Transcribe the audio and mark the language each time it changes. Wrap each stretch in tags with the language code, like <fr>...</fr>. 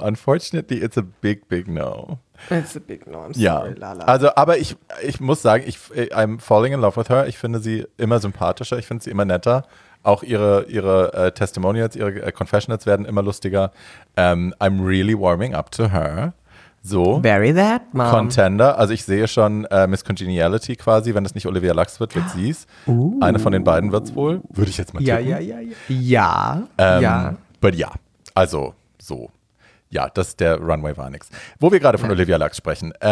<en>Unfortunately, it's a big, big no. It's a big no, I'm sorry,</en> <de>ja. Lala. Also, aber ich muss sagen,</de> <en>I'm falling in love with her.</en> <de>Ich finde sie immer sympathischer, ich finde sie immer netter. Auch ihre Testimonials, ihre Confessionals werden immer lustiger.</de> <en>I'm really warming up to her. So. Very that, Mom. Contender.</en> <de>Also ich sehe schon Miss Congeniality quasi, wenn es nicht Olivia Lux wird, wird sie es. Eine von den beiden wird es wohl. Würde ich jetzt mal tippen. Ja.</de> <en>But yeah. Also, so.</en> <de>Ja, das, der Runway war nix. Wo wir gerade von Olivia Lux sprechen.</de>